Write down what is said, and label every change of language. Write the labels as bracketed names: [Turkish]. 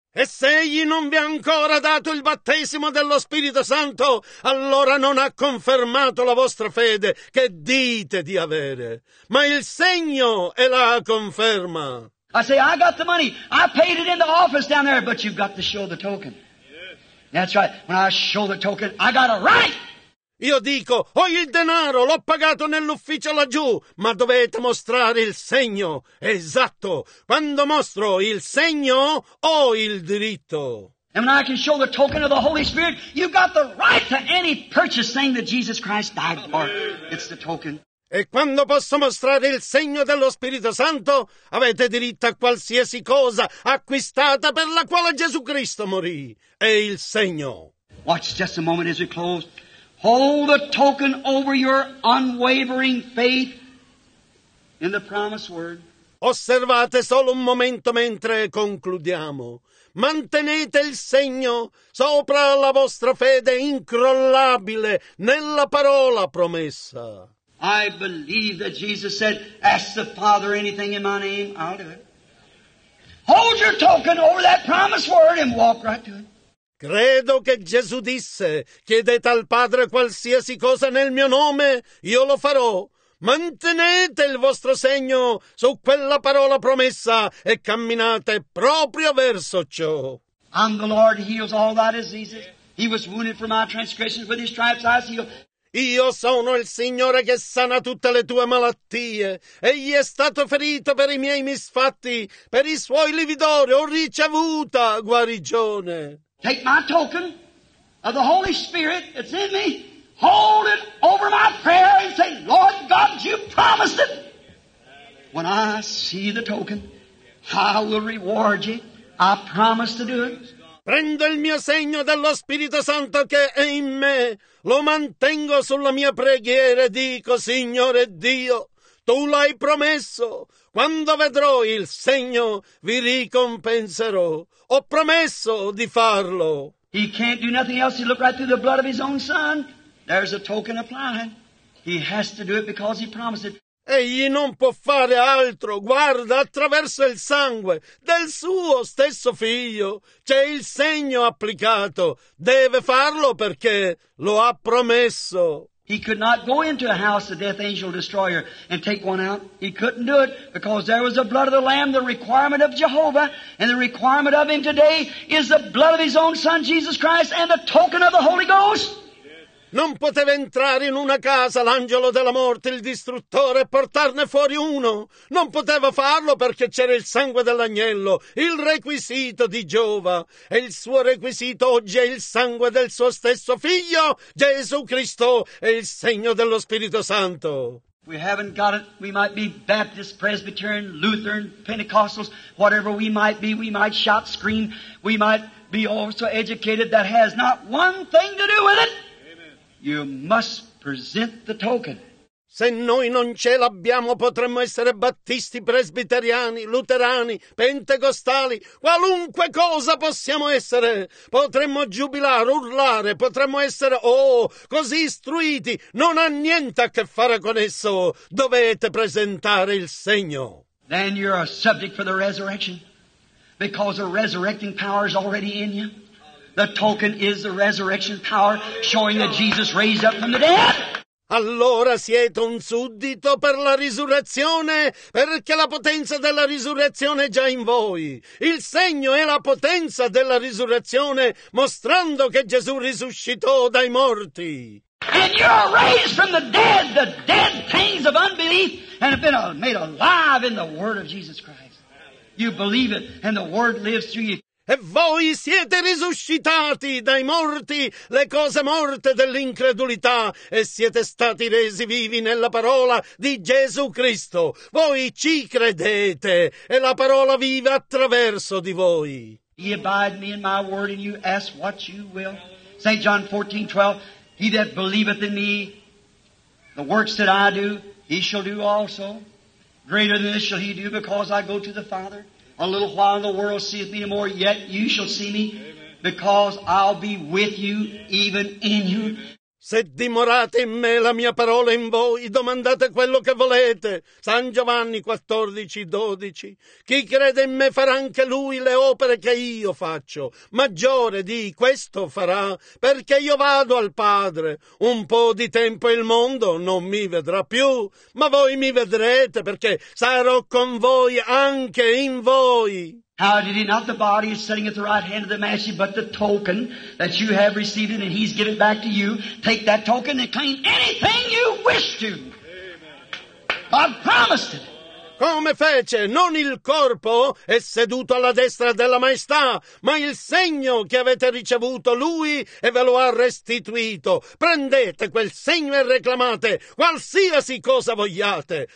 [Italian] E se egli non vi ha ancora dato il battesimo dello Spirito Santo, allora non ha confermato la vostra fede che dite di avere. Ma il segno è la conferma. [English] I say, I got the money. I paid it in the office down there, but you've got to show the token. Yes. That's right. When I show the token, I got a right. [Italian] Io dico, ho il denaro, l'ho pagato nell'ufficio laggiù, ma dovete mostrare il segno. Esatto. Quando mostro il segno, ho il diritto. [English] And when I can show the token of the Holy Spirit, you've got the right to any purchase thing that Jesus Christ died for. It's the token. [Italian] E quando posso mostrare il segno dello Spirito Santo, avete diritto a qualsiasi cosa acquistata per la quale Gesù Cristo morì. È il segno. [English] Watch just a moment as we close. Hold the token over your unwavering faith in the promised word. [Italian] Osservate solo un momento mentre concludiamo. Mantenete il segno sopra la vostra fede incrollabile nella parola promessa. [English] I believe that Jesus said, ask the Father anything in my name, I'll do it. Hold your token over that promised word and walk right to it. [Italian] Credo che Gesù disse, chiedete al Padre qualsiasi cosa nel mio nome, io lo farò. Mantenete il vostro segno su quella parola promessa e camminate proprio verso ciò. [English] I'm the Lord, he heals all thy diseases. He was wounded for my transgressions, with his stripes I was healed. [Italian] Io sono il Signore che sana tutte le tue malattie. Egli è stato ferito per i miei misfatti, per i suoi lividori, ho ricevuta guarigione. [English] Take my token of the Holy Spirit that's in me, hold it over my prayer and say, Lord God, you promised it. When I see the token, I will reward you. I promise to do it. [Italian] Prendo il mio segno dello Spirito Santo che è in me, lo mantengo sulla mia preghiera e dico, Signore Dio, tu l'hai promesso. Quando vedrò il segno, vi ricompenserò. Ho promesso di farlo. [English] He can't do nothing else. He looked right through the blood of his own son. There's a token applied. He has to do it because he promised it. [Italian] Egli non può fare altro. Guarda, attraverso il sangue del suo stesso figlio c'è il segno applicato. Deve farlo perché lo ha promesso. [English] He could not go into a house of death angel destroyer and take one out. He couldn't do it because there was the blood of the Lamb, the requirement of Jehovah, and the requirement of him today is the blood of his own son, Jesus Christ, and the token of the Holy Ghost. [Italian] Non poteva entrare in una casa l'angelo della morte, il distruttore, e portarne fuori uno. Non poteva farlo perché c'era il sangue dell'agnello, il requisito di Giova. E il suo requisito oggi è il sangue del suo stesso figlio, Gesù Cristo, e il segno dello Spirito Santo. [English] We haven't got it. We might be Baptist, Presbyterian, Lutheran, Pentecostals, whatever we might be. We might shout, scream. We might be also educated. That has not one thing to do with it. You must present the token. [Italian] Se noi non ce l'abbiamo, potremmo essere battisti, presbiteriani, luterani, pentecostali, qualunque cosa possiamo essere. Potremmo giubilare, urlare, potremmo essere, oh, così istruiti. Non ha niente a che fare con esso. Dovete presentare il segno. [English] Then you're a subject for the resurrection, because the resurrecting power is already in you. The token is the resurrection power showing that Jesus raised up from the dead. [Italian] Allora siete un suddito per la risurrezione, perché la potenza della risurrezione è già in voi. Il segno è la potenza della risurrezione, mostrando che Gesù risuscitò dai morti. [English] And you are raised from the dead things of unbelief, and have been made alive in the word of Jesus Christ. You believe it, and the Word lives through you. [Italian] E voi siete risuscitati dai morti, le cose morte dell'incredulità, e siete stati resi vivi nella parola di Gesù Cristo. Voi ci credete, e la parola vive attraverso di voi. [English] Ye abide me in my word, and you ask what you will. St. John 14:12, he that believeth in me, the works that I do, he shall do also. Greater than this shall he do, because I go to the Father. A little while the world seeth me no more, yet you shall see me, because I'll be with you, even in you. [Italian] Se dimorate in me, la mia parola in voi, domandate quello che volete. San Giovanni 14:12. Chi crede in me farà anche lui le opere che io faccio. Maggiore di questo farà, perché io vado al Padre. Un po' di tempo il mondo non mi vedrà più, ma voi mi vedrete, perché sarò con voi anche in voi. [English] How did he not the body is sitting at the right hand of the master, but the token that you have received and he's given back to you. Take that token and claim anything you wish to. Amen. I've promised it. [Italian] Come fece, non il corpo è seduto alla destra della maestà, ma il segno che avete ricevuto lui e ve lo ha restituito. Prendete quel segno e reclamate qualsiasi cosa vogliate.